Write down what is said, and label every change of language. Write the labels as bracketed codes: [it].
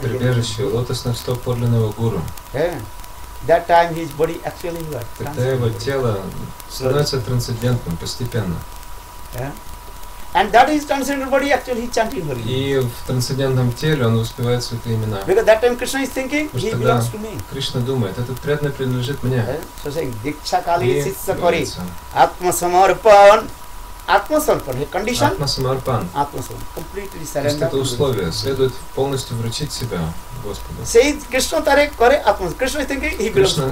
[ru] прибежище лотосных стоп подлинного гуру, [en] that time his body actually was transcendent. [ru] Тогда его тело становится трансцендентным постепенно. [en] And that is transcendental body actually chanting Hari. [ru] И в трансцендентном теле он воспевает святые имена. [en] Because that time Krishna is thinking, he belongs to me. [ru] Кришна думает, этот преданный принадлежит мне. [en] So saying, [bn] Diksha Kali Sitsa Kari, Atma Samarpan, Atma Samarpan, [en] a condition? [bn] Atma Samarpan. [en] Atma Samarpan. Completely surrender. [ru] То есть это условие, следует полностью вручить себя Господу. [en] Says [bn] Krishna Tare Kare Atma. [en] Krishna is thinking, he belongs to me.